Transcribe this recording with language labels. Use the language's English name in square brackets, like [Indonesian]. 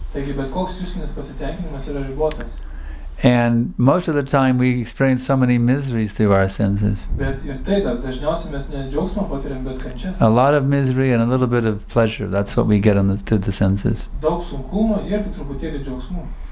[Lithuanian] Taigi, bet koks jūsinės pasitenkinimas yra ribotas. [English] And most of the time we experience so many miseries through our senses. [Lithuanian] Bet ir tai, kad dažniausiai mes ne džiaugsmą patiriam, bet kančias. [English] A lot of misery and a little bit of pleasure, that's what we get through the senses. [Lithuanian] Daug sunkumo ir truputėlį džiaugsmų.